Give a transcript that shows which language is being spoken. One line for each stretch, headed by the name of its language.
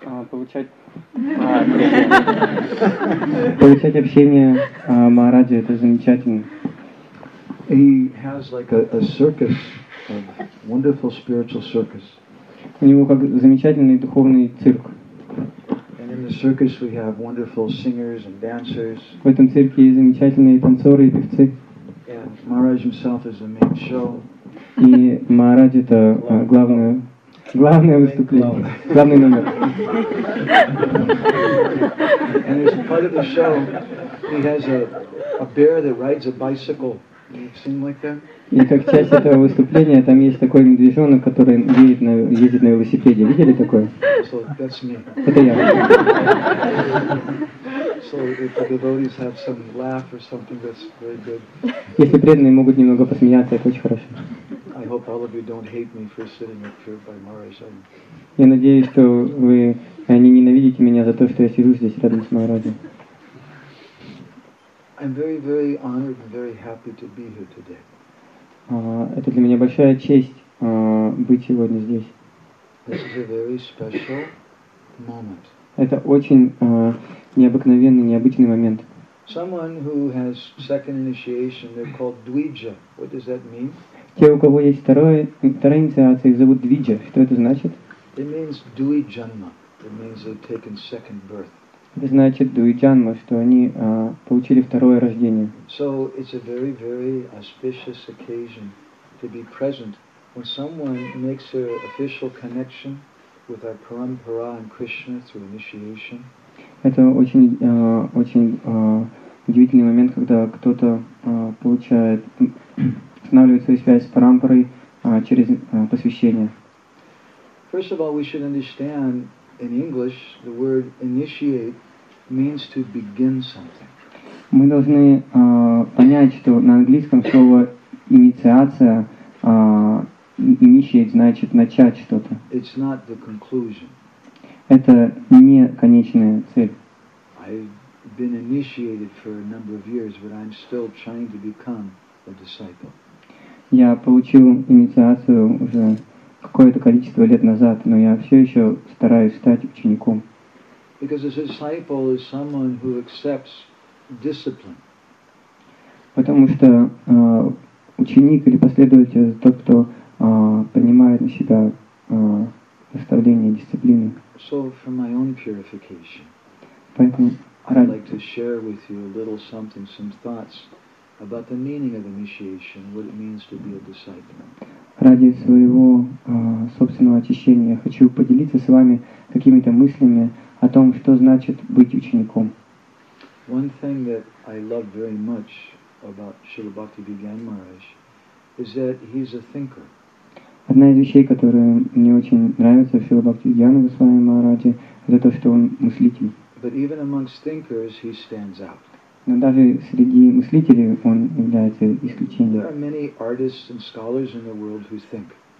Russian: Получать общение Махараджи это замечательно.
English: He has like a circus, a wonderful spiritual circus.
Russian: У него как замечательный духовный цирк.
English: And in the circus we have wonderful singers and dancers.
Russian: В этом цирке есть замечательные танцоры и певцы.
English: And Maharaj himself is the main show.
Russian: И Махарадж это главное выступление, главный номер.
English: And as part of the show, he has a bear that rides a bicycle. You've seen like that?
Russian: И как часть этого выступления, там есть такой медвежонок, который ездит на велосипеде. Видели такое?
English: So that's me.
Russian: Это я.
English: So if the devotees have some laugh or something, that's very good.
Russian: Если преданные могут немного посмеяться, это очень хорошо.
English: I hope all of you don't hate me for sitting up here by Maharaj.
Russian: Я надеюсь, что вы не ненавидите меня за то, что я сижу здесь рядом с Махараджем.
English: I'm very, very honored and very happy to be here today.
Russian: Это для меня большая честь быть сегодня здесь.
English: This is a very special moment.
Russian: Это очень необыкновенный, необычный момент.
English: Someone who has second initiation, they're called Dvija. What does that mean?
Russian: Те, у кого есть вторая инициация, их зовут Двиджа. Что это значит?
English: It means Dvijanma. It means they've taken second birth.
Russian: Это значит Dvijanma, что они получили второе рождение.
English: So it's a very, very auspicious occasion to be present when someone makes their official connection with our Parampara and Krishna through initiation.
Russian: Это очень удивительный момент, когда кто-то получает устанавливает свою связь с парампарой через посвящение.
English: First of all, we should understand in English the word initiate means to begin something.
Russian: Мы должны понять, что на английском слово инициация initiate значит начать что-то.
English: It's not the conclusion.
Russian: Это не конечная цель.
English: I've been initiated for a number of years, but I'm still trying to become a disciple.
Russian: Я получил инициацию уже какое-то количество лет назад, но я все еще стараюсь стать учеником.
English: Because a disciple is someone who accepts discipline.
Russian: Потому что ученик или последователь тот, кто принимает на себя наставление дисциплины.
English: So for my own purification,
Russian: поэтому
English: I'd like to share with you a little something, some thoughts about the meaning of initiation, what it means to be a disciple.
Russian: Ради своего собственного очищения я хочу поделиться с вами какими-то мыслями о том, что значит быть учеником.
English: One thing that I love very much about Srila Bhakti Vigyan Maharaj is that he's a thinker.
Russian: Одна из вещей, которая мне очень нравится в Шрила Бхакти Вигьяна Госвами Махараджи, это то, что он мыслитель.
English: But even amongst thinkers, he stands out.
Russian: Но даже среди мыслителей он является исключением.